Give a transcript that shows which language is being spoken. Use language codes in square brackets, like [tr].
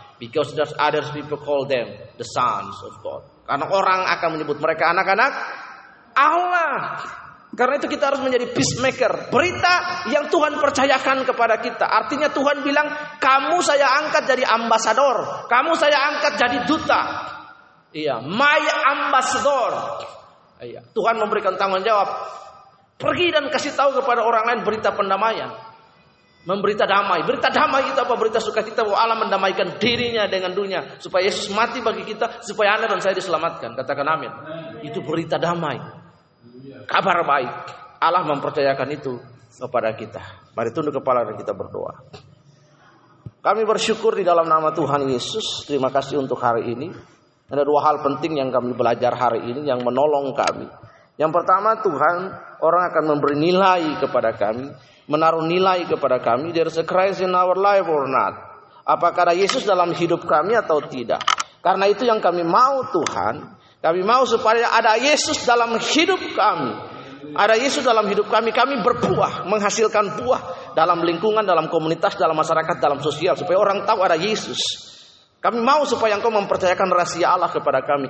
[en] Because there's other people call them the sons of God. [id] Karena orang akan menyebut mereka anak-anak Allah. Karena itu kita harus menjadi peacemaker. Berita yang Tuhan percayakan kepada kita. Artinya Tuhan bilang, kamu saya angkat jadi ambasador. Kamu saya angkat jadi duta. Iya, [en] my ambassador. [id] Iya. Tuhan memberikan tanggung jawab. Pergi dan kasih tahu kepada orang lain berita pendamaian. Memberita damai. Berita damai itu apa? Berita suka kita bahwa Allah mendamaikan dirinya dengan dunia. Supaya Yesus mati bagi kita. Supaya Anda dan saya diselamatkan. Katakan amin. Itu berita damai. Kabar baik. Allah mempercayakan itu kepada kita. Mari tunduk kepala dan kita berdoa. Kami bersyukur di dalam nama Tuhan Yesus. Terima kasih untuk hari ini. Ada dua hal penting yang kami belajar hari ini yang menolong kami. Yang pertama, Tuhan, orang akan memberi nilai kepada kami. Menaruh nilai kepada kami. [en] There is a Christ in our life or not. [id] Apakah ada Yesus dalam hidup kami atau tidak. Karena itu yang kami mau, Tuhan. Kami mau supaya ada Yesus dalam hidup kami. Ada Yesus dalam hidup kami. Kami berbuah, menghasilkan buah. Dalam lingkungan, dalam komunitas, dalam masyarakat, dalam sosial. Supaya orang tahu ada Yesus. Kami mau supaya Engkau mempercayakan rahasia Allah kepada kami.